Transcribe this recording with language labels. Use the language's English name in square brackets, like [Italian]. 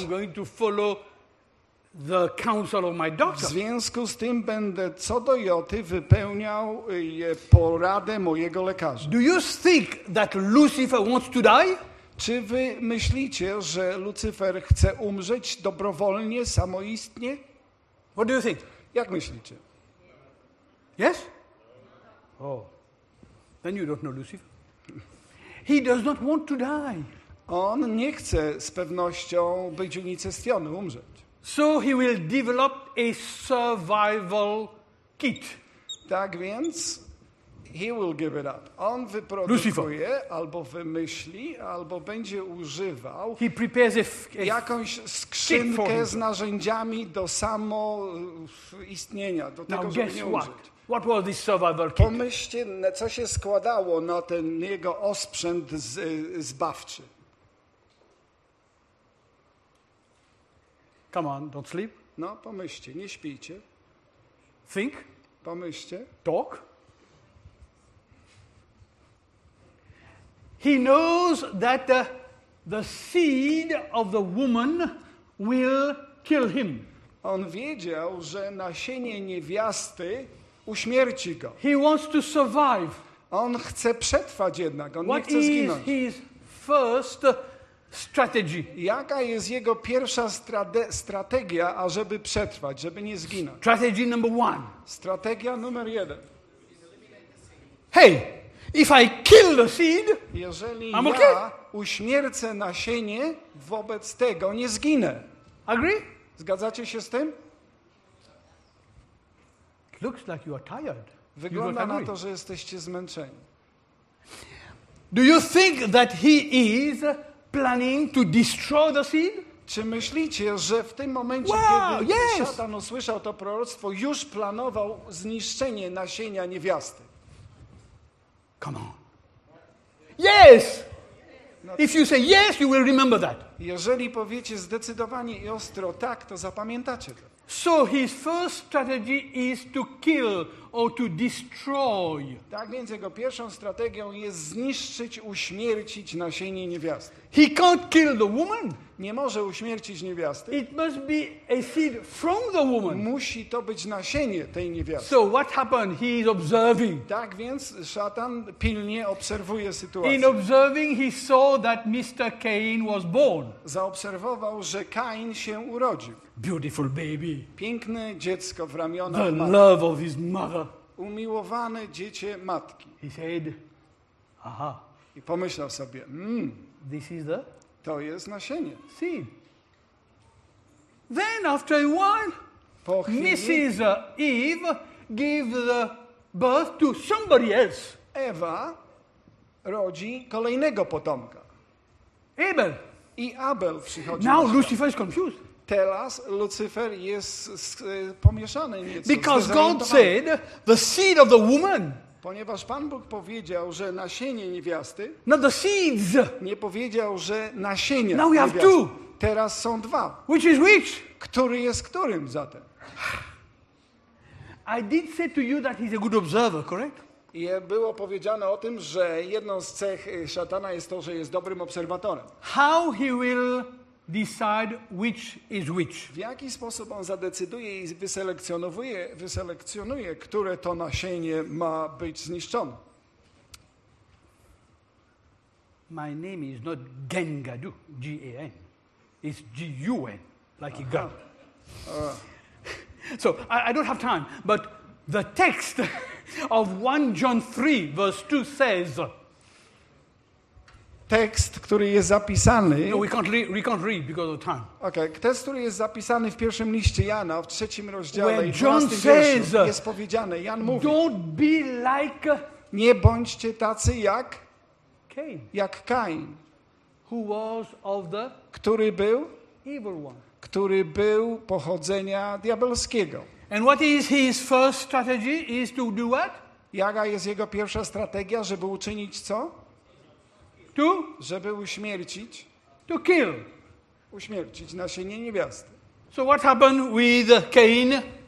[English] I'm going to follow the counsel of my doctor. [Polish] W związku z tym będę co do joty wypełniał poradę mojego lekarza. [English] Do you think that Lucifer wants to die? [Polish] Czy wy myślicie, że Lucyfer chce umrzeć dobrowolnie, samoistnie? [English] What do you think? [Polish] Jak myślicie? [English] Yes? Oh. Then you don't know Lucifer. He does not want to die. [Polish] On nie chce z pewnością być unicestwiony, umrzeć. [English] So he will develop a survival kit. [Polish] Tak więc [English] he will give it up. [Polish] On wyprodukuje, Lucifer, albo wymyśli, albo będzie używał [English] he prepares [Polish] jakąś skrzynkę z narzędziami do samoistnienia, do [English] now [Polish] tego, [English] guess [Polish] żeby nie [English] what? What was this survival kit? [Polish] Pomyślcie, co się składało na ten jego osprzęt zbawczy. [English] Come on, don't sleep. [Polish] No, pomyślcie, nie śpijcie. [English] Think. [Polish] Pomyślcie. [English] Talk. He knows that the seed of the woman will kill him. [Polish] On wiedział, że nasienie niewiasty uśmierci go. [English] He wants to survive. [Polish] On chce przetrwać jednak, on [English] what [Polish] nie chce zginąć. [English] What is his first strategy? [Polish] Jaka jest jego pierwsza strategia, ażeby przetrwać, żeby nie zginąć? [English] Strategy number one. [Polish] Strategia numer jeden. [English] Hey! If I kill the seed, [Polish] jeżeli [English] I'm [Polish] ja [English] okay. [Polish] uśmiercę nasienie, wobec tego nie zginę. [English] Agree? [Polish] Zgadzacie się z tym? [English] It looks like you are tired. [Polish] Wygląda na to, że jesteście zmęczeni. [English] Do you think that he is planning to destroy the seed? [Polish] Czy myślicie, że w tym momencie, kiedy szatan usłyszał to proroctwo, już planował zniszczenie nasienia niewiasty? [English] Come on. Yes! If you say yes, you will remember that. [Polish] Jeżeli powiecie zdecydowanie i ostro tak, to zapamiętacie to. [English] So his first strategy is to kill or to destroy. [Polish] Tak więc jego pierwszą strategią jest zniszczyć, uśmiercić nasienie niewiasty. [English] He can't kill the woman. [Polish] Nie może uśmiercić niewiasty. [English] It must be a seed from the woman. [Polish] Musi to być nasienie tej niewiasty. [English] So what happened? He is observing. [Polish] Tak więc szatan pilnie obserwuje sytuację. [English] In observing, he saw that Mr. Cain was born. [Polish] Zaobserwował, że Kain się urodził. [English] Beautiful baby. [Polish] Piękne dziecko w ramionach [English] the [Polish] matki. [English] Love of his mother. [Polish] Umiłowane dziecię matki. [English] He said, aha. [Polish] I pomyślał sobie, [English] this is the [Polish] to jest nasienie. [English] See. Then after a while, [Polish] po chwili, [English] Mrs. Eve gave the birth to somebody else. [Polish] Ewa rodzi kolejnego potomka. [English] Abel. [Polish] I Abel przychodzi. [English] Now Lucifer is confused. [Polish] Teraz Lucyfer jest pomieszany nieco. [English] Because God said the seed of the woman. [Polish] Ponieważ Pan Bóg powiedział, że nasienie niewiasty. [English] Not the seeds. [Polish] Nie powiedział, że nasienie [English] now [Polish] niewiasty. [English] Have two. [Polish] Teraz są dwa. [English] Which is which? [Polish] Który jest którym zatem? [English] I did say to you that he's a good observer, correct? [Polish] I było powiedziane o tym, że jedną z cech szatana jest to, że jest dobrym obserwatorem. [English] How he will decide which is which. [Polish] W jaki sposób on zadecyduje i wyselekcjonuje, które to nasienie ma być zniszczone? [English] My name is not Gengadu, G-A-N. It's G-U-N, like aha. A gun. So, I don't have time, but the text of 1 John 3, verse 2 says, [Polish] tekst, który jest zapisany. [English] No, we can't read because of time. Okay. [Polish] Tekst, który jest zapisany w pierwszym liście Jana, w trzecim rozdziale i w 12 wierszu jest powiedziane. Jan mówi: [English] Don't be like. [Polish] Nie bądźcie tacy jak [English] Cain. [Polish] Jak Cain. [English] Who was of the [Polish] który był [English] evil one. [Polish] Który był pochodzenia diabelskiego. [English] And what is his first strategy is to do what? [Polish] Jaka jest jego pierwsza strategia, żeby uczynić co? [English] To? [Polish] Żeby uśmiercić. [English] To kill. [Polish] Uśmiercić nasienie niewiasty. [English] So what happened with Cain?